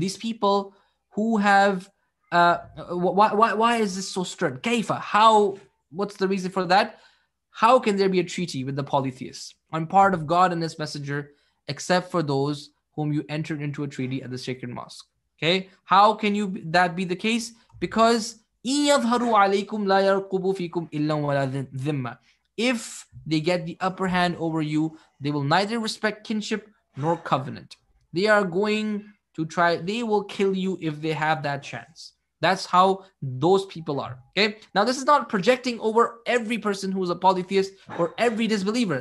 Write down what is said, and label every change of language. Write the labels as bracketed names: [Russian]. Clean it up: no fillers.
[English] These people who have... why is this so stern? كَيْفَ? How? What's the reason for that? How can there be a treaty with the polytheists? I'm part of God and His messenger, except for those whom you entered into a treaty at the sacred mosque. Okay? How can you that be the case? Because [Arabic] إِن يَظْهَرُوا عَلَيْكُمْ لَا يَرْقُبُوا فِيكُمْ إِلَّا وَلَا ذِمَّةً. [English] If they get the upper hand over you, they will neither respect kinship nor covenant. They are going to try, they will kill you if they have that chance. That's how those people are. Okay. Now, this is not projecting over every person who is a polytheist or every disbeliever.